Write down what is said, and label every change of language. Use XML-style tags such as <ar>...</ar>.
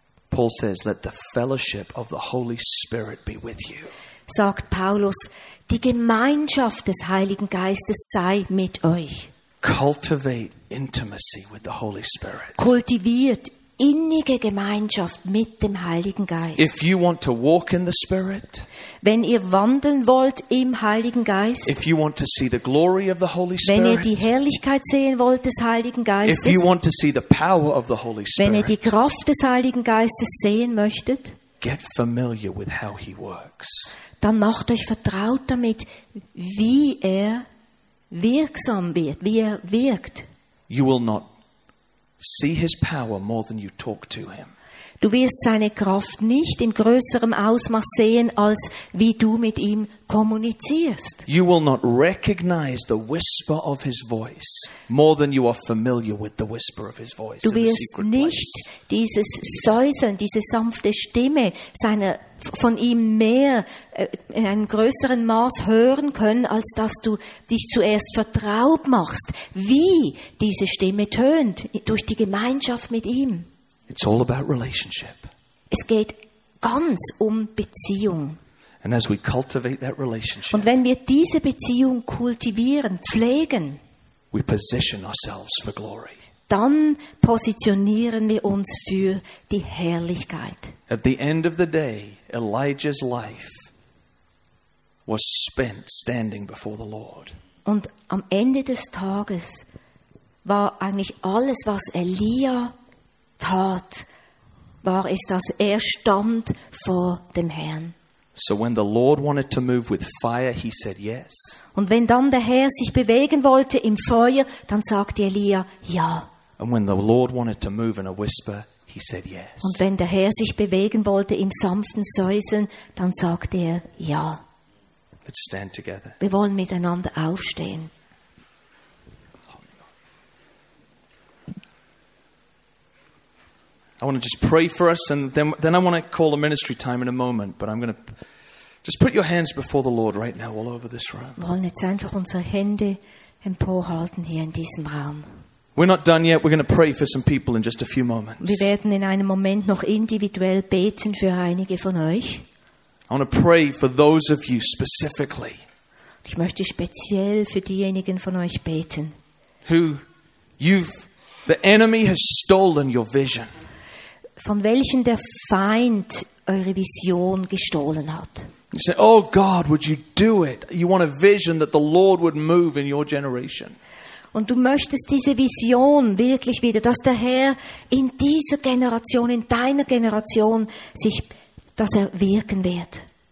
<en>Paul says, let the fellowship of the Holy Spirit be with you.</en> <de>Sagt Paulus, die Gemeinschaft des Heiligen Geistes sei mit euch.</de> <en>Cultivate intimacy with the Holy Spirit.</en> <de>Kultiviert innige Gemeinschaft mit dem Heiligen Geist.</de> <en>If you want to walk in the Spirit,</en> <de>wenn ihr wandeln wollt im Heiligen Geist,</de> <en>if you want to see the glory of the Holy Spirit,</en> <de>wenn ihr die Herrlichkeit sehen wollt des Heiligen Geistes,</de> <en>if you want to see the power of the Holy Spirit,</en> <de>wenn ihr die Kraft des Heiligen Geistes sehen möchtet,</de> <en>get familiar with how he works.</en> <de>Dann macht euch vertraut damit, wie er wirksam wird, wie er wirkt.</de> <en>You will not see his power more than you talk to him.</en> <de>Du wirst seine Kraft nicht in größerem Ausmaß sehen, als wie du mit ihm kommunizierst.</de> <en>You will not recognize the whisper of his voice more than you are familiar with the whisper of his voice.</en> <de>Du wirst nicht dieses Säuseln, diese sanfte Stimme von ihm mehr in einem größeren Maß hören können, als dass du dich zuerst vertraut machst, wie diese Stimme tönt durch die Gemeinschaft mit ihm.</de> <en>It's all about relationship.</en> <de>Es geht ganz um Beziehung.</de> <en>And as we cultivate that relationship,</en> <de>und wenn wir diese Beziehung kultivieren, pflegen,</de> <en>we position ourselves for glory.</en> <de>Dann positionieren wir uns für die Herrlichkeit.</de> <en>At the end of the day, Elijah's life was spent standing before the Lord.</en> <de>Und am Ende des Tages war eigentlich alles, was Elia tat, war es, dass er stand vor dem Herrn.</de> <en>So when the Lord wanted to move with fire, he said yes.</en> <de>Und wenn dann der Herr sich bewegen wollte im Feuer, dann sagte Elia ja.</de> <en>And when the Lord wanted to move in a whisper, he said yes.</en> <de>Und wenn der Herr sich bewegen wollte im sanften Säuseln, dann sagte er ja.</de> <en>Let's stand together.</en> <de>Wir wollen miteinander aufstehen.</de> <en>I want to just pray for us, and then I want to call a ministry time in a moment. But I'm going to just put your hands before the Lord right now, all over this room.</en> <de>Wir wollen jetzt einfach unsere Hände emporhalten hier in diesem Raum.</de> <en>We're not done yet. We're going to pray for some people in just a few moments.</en> <de>Wir werden in einem Moment noch individuell beten für einige von euch.</de> <en>I want to pray for those of you specifically.</en> <de>Ich möchte speziell für diejenigen von euch beten.</de> <en>Who the enemy has stolen your vision.</en> <de>Von welchen der Feind eure Vision gestohlen hat.</de> <en>You say, oh God, would you do it? You want a vision that the Lord would move in your generation.</en> <de>Und du möchtest diese Vision wirklich wieder, dass der Herr in dieser Generation, in deiner Generation sich, dass er wirken wird.</de>